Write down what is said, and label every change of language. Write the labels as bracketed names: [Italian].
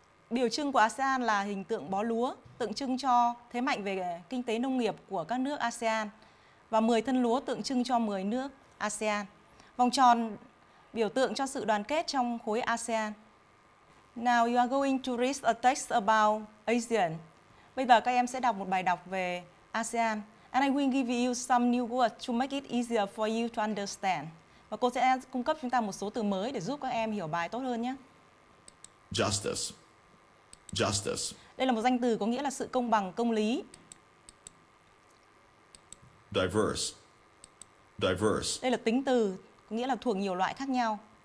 [Vietnamese] Biểu trưng của ASEAN là hình tượng bó lúa, tượng trưng cho thế mạnh về kinh tế nông nghiệp của các nước ASEAN. Và 10 thân lúa tượng trưng cho 10 nước ASEAN. Vòng tròn biểu tượng cho sự đoàn kết trong khối ASEAN. [English] Now you are going to read a text about ASEAN. [Vietnamese] Bây giờ các em sẽ đọc một bài đọc về ASEAN. [English] And I will give you some new words to make it easier for you to understand. [Vietnamese] Và cô sẽ cung cấp chúng ta một số từ mới để giúp các em hiểu bài tốt hơn nhé. [English] Justice. Justice. [Vietnamese] Đây là một danh từ có nghĩa là sự công bằng, công lý. [English] Diverse. Diverse. [Vietnamese] Đây là tính từ, có nghĩa là thuộc nhiều loại khác nhau.